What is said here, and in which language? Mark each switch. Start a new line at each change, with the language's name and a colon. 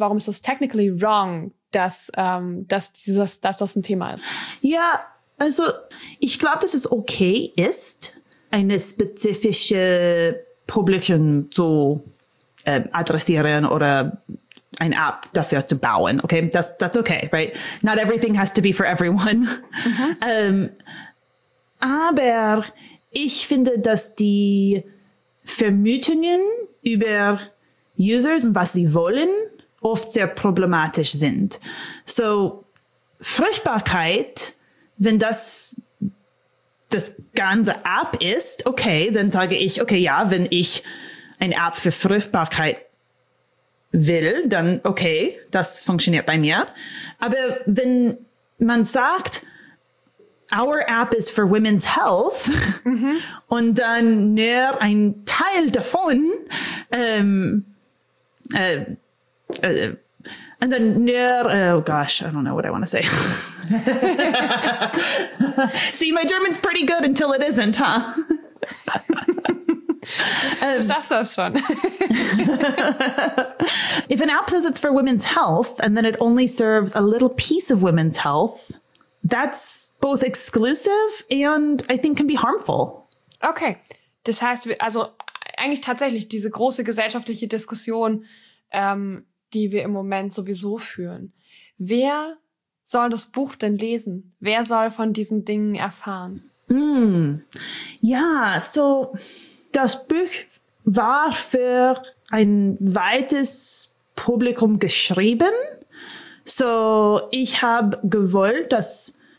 German: Warum ist das
English: technically wrong,
German: dass das ein Thema ist? Ja, also ich glaube, dass es okay ist, eine spezifische Publikum zu adressieren oder ein App dafür zu bauen.
English: Okay, that's okay, right? Not everything has to be for everyone. Mhm.
German: Aber ich finde, dass die Vermutungen über Users und was sie wollen oft sehr problematisch sind. So, Fruchtbarkeit, wenn das ganze App ist, okay, dann sage ich, okay, ja, wenn ich ein App für Fruchtbarkeit will, dann okay, das funktioniert bei mir. Aber wenn man sagt,
English: our app is for women's health,
German: und dann nur ein Teil davon, und dann nur,
English: oh gosh, I don't know what I want to say. See, my German's pretty good until it isn't, huh?
German: Du schaffst das schon.
English: If an app says it's for women's health and then it only serves a little piece of women's health, that's both exclusive and I think can be harmful.
German: Okay, das heißt, also eigentlich tatsächlich diese große gesellschaftliche Diskussion, die wir im Moment sowieso führen. Wer soll das Buch denn lesen? Wer soll von diesen Dingen erfahren? Ja, so das Buch war für ein weites Publikum geschrieben. So, ich habe gewollt, dass